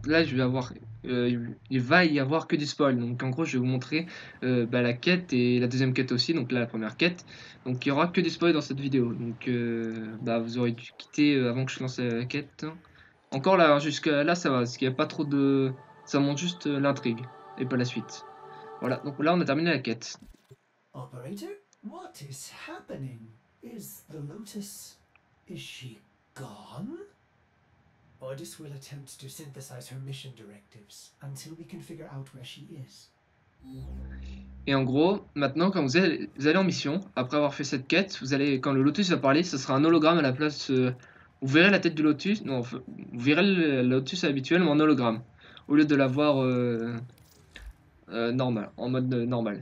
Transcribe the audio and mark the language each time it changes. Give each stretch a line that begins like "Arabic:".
French: Là je vais avoir il va y avoir que du spoil, donc en gros je vais vous montrer la quête et la deuxième quête aussi, donc là la première quête, donc il y aura que du spoil dans cette vidéo, donc vous aurez dû quitter avant que je lance la quête. Encore là, jusque là ça va, parce qu'il n'y a pas trop de... Ça montre juste l'intrigue, et pas la suite. Voilà, donc là on a terminé la quête.
English: Operator, what is happening? Is the Lotus... Is she gone? Ordis will attempt to synthesize her mission directives, until we can figure out where she is.
French: Et en gros, maintenant quand vous allez en mission, après avoir fait cette quête, vous allez, quand le Lotus va parler, ce sera un hologramme à la place... Vous verrez la tête du Lotus, non, vous verrez le Lotus habituel mais en hologramme, au lieu de l'avoir normal, en mode normal.